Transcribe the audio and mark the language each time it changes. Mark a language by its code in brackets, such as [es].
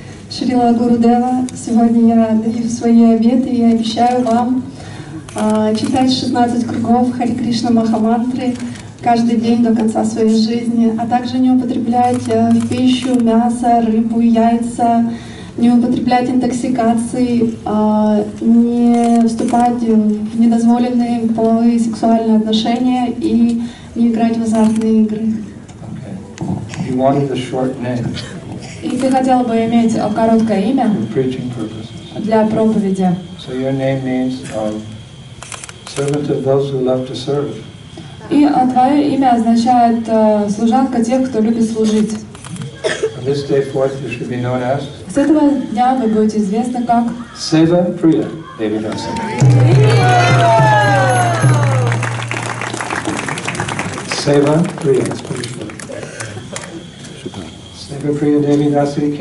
[ru] Шрила Гурудева, сегодня я даю свои обеты, и я обещаю вам читать 16 кругов Хари Кришна Махамантры каждый день до конца своей жизни, а также не употреблять в пищу мясо, рыбу, яйца, не употреблять интоксикации, не вступать в недозволенные половые сексуальные отношения и не играть в азартные игры. [en] Okay. You wanted a short name. [ru] И ты хотел бы иметь короткое имя для проповеди. [en] So your name means servant of those who love to serve. [ru] И твое имя означает служанка тех, кто любит служить. [en] This day forth you should be known as? [ru] С этого дня вы будете известны как? Сева Прия Деви Дас. Сева Прия. Сева Прия Деви Дас.